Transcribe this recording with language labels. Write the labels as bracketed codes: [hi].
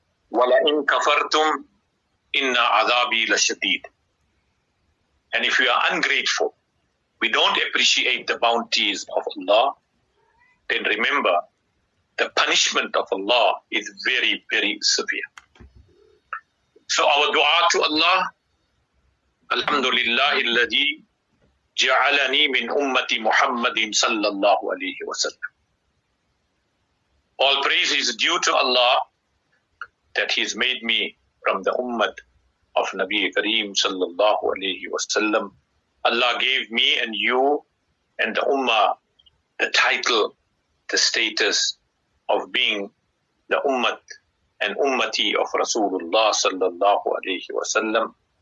[ar] وَلَئِن كَفَرْتُمْ إِنَّ عَذَابِي لَشَدِيدٌ. [en] And if we are ungrateful, we don't appreciate the bounties of Allah, then remember, the punishment of Allah is very, very severe. So our dua to Allah, [ar] Alhamdulillahi alladhi جَعَلَنِي مِنْ أُمَّةِ مُحَمَّدٍ صَلَّى اللَّهُ عَلَيْهِ وَسَلَّمُ. [en] All praise is due to Allah that He's made me from the Ummat of Nabi Kareem sallallahu alayhi wasallam. Allah gave me and you and the Ummah the title, the status of being the Ummat and Ummati of Rasulullah sallallahu alayhi wasallam.